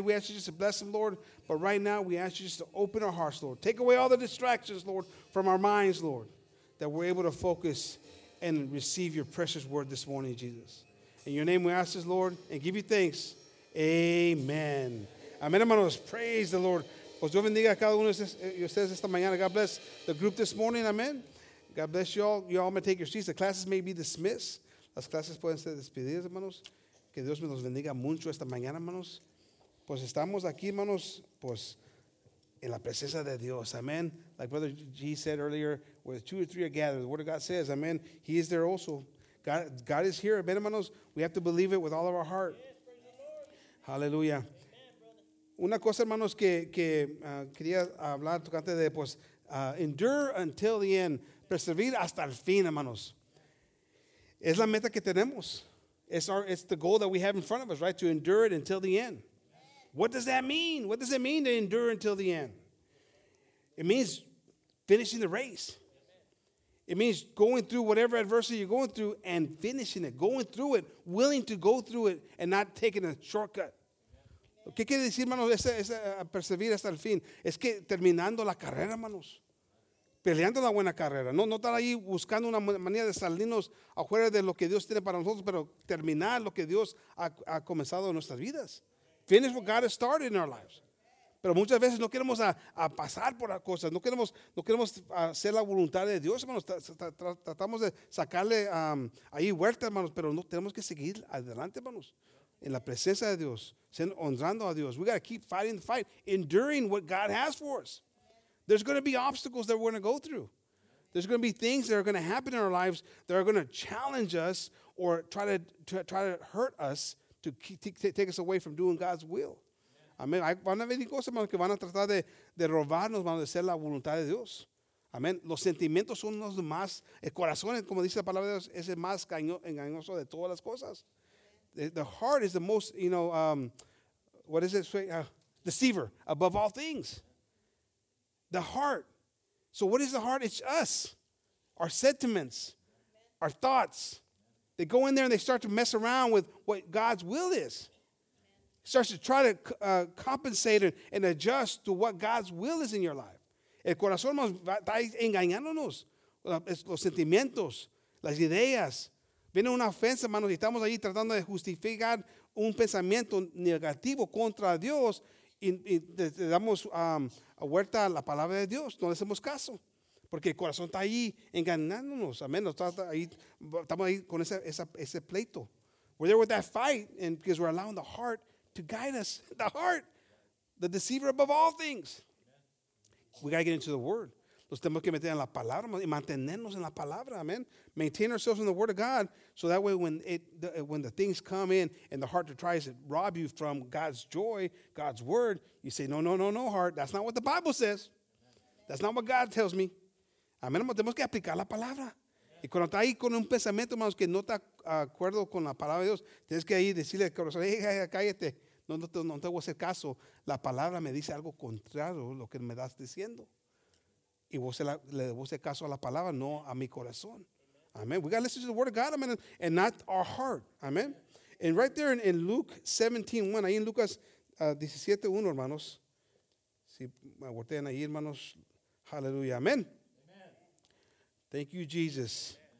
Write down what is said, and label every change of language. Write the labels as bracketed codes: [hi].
[en] We ask you just to bless them, Lord. But right now, we ask you just to open our hearts, Lord. Take away all the distractions, Lord, from our minds, Lord, that we're able to focus and receive your precious word this morning, Jesus. In your name we ask this, Lord, and give you thanks. Amen. Amen, hermanos. Praise the Lord. [es] Pues Dios bendiga a cada uno de ustedes esta mañana. [en] God bless the group this morning. Amen. God bless you all. You all may take your seats. The classes may be dismissed. [es] Las clases pueden ser despedidas, hermanos. Que Dios me los bendiga mucho esta mañana, hermanos. Pues estamos aquí, hermanos, pues en la presencia de Dios. [en] Amen. Like Brother G said earlier, where two or three are gathered, the Word of God says, amen, he is there also. God is here. Amen, hermanos. We have to believe it with all of our heart. [es] Hallelujah. Una cosa, hermanos, que quería hablar tocante de, pues, [en] endure until the end. [es] Perseverar hasta el fin, hermanos. Es la meta que tenemos. [en] It's the goal that we have in front of us, right? To endure it until the end. What does that mean? What does it mean to endure until the end? It means finishing the race. It means going through whatever adversity you're going through and finishing it. Going through it, willing to go through it and not taking a shortcut. [es] ¿Qué quiere decir, hermanos, esa perseverar hasta el fin? Es que terminando la carrera, hermanos. Peleando la buena carrera. No estar ahí buscando una manera de salirnos afuera de lo que Dios tiene para nosotros, pero terminar lo que Dios ha comenzado en nuestras vidas. [en] Finish what God has started in our lives. [es] Pero muchas veces no queremos a pasar por las cosas. No queremos hacer la voluntad de Dios, hermanos. Tratamos de sacarle ahí huerta, hermanos, pero no tenemos que seguir adelante, hermanos. En la presencia de Dios, honrando a Dios. [en] We got to keep fighting the fight, enduring what God has for us. There's going to be obstacles that we're going to go through. There's going to be things that are going to happen in our lives that are going to challenge us or try to hurt us to take us away from doing God's will. Amen. [es] Van a venir cosas, hermanos, que van a tratar de robarnos, hermanos, de hacer la voluntad de Dios. Amen. Los sentimientos son los más, el corazón, como dice la palabra de Dios, es el más engañoso de todas las cosas. [en] The heart is the most, you know, what is it? Deceiver above all things. The heart. So what is the heart? It's us. Our sentiments. Our thoughts. They go in there and they start to mess around with what God's will is. Starts to try to compensate and adjust to what God's will is in your life. [es] El corazón está engañándonos. Los sentimientos. Las ideas. Viene una ofensa, hermanos, y estamos ahí tratando de justificar un pensamiento negativo contra Dios y le damos a vuelta a la palabra de Dios. No le hacemos caso porque el corazón está ahí engañándonos. Amén. Estamos ahí con ese pleito. [en] We're there with that fight and because we're allowing the heart to guide us. The heart, the deceiver above all things. We got to get into the Word. [es] Nos tenemos que meter en la palabra y mantenernos en la palabra, amen. [en] Maintain ourselves in the Word of God, so that way when the things come in and the heart tries to rob you from God's joy, God's Word, you say, no, heart, that's not what the Bible says. That's not what God tells me. Amen. [es] Tenemos que aplicar la palabra. Y cuando está ahí con un pensamiento, hermanos, que no está acuerdo con la palabra de Dios, tienes que ahí decirle al corazón, hey, cállate, no te voy a hacer caso. La palabra me dice algo contrario a lo que me estás diciendo. Y vos le debo hacer caso a la palabra, no a mi corazón. [en] Amen. We got to listen to the word of God, amen, and not our heart. Amen. And right there in Luke 17:1, [es] ahí en Lucas 17:1, hermanos. Si me aguanten ahí, hermanos. Hallelujah. Amen. [en] Thank you, Jesus.